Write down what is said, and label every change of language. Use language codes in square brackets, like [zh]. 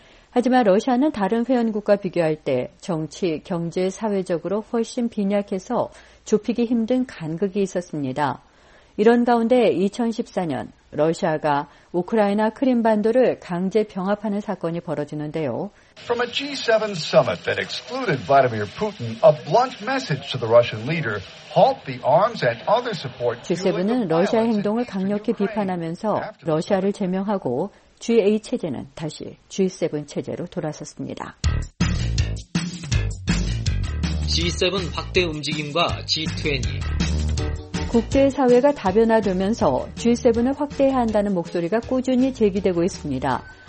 [ko] 하지만 러시아는 다른 회원국과 비교할 때 정치, 경제, 사회적으로 훨씬 빈약해서 좁히기 힘든 간극이 있었습니다. 이런 가운데 2014년 러시아가 우크라이나 크림반도를 강제 병합하는 사건이 벌어지는데요. [en] From a G7 summit that excluded Vladimir Putin, a blunt message to the Russian leader, halt the arms and other support. [ko] G7은 러시아 행동을 강력히 비판하면서 러시아를 제명하고 G8 체제는 다시 G7 체제로 돌아섰습니다. G7 확대 움직임과 G20. 국제사회가 다변화되면서 G7을 확대해야 한다는 목소리가 꾸준히 제기되고 있습니다.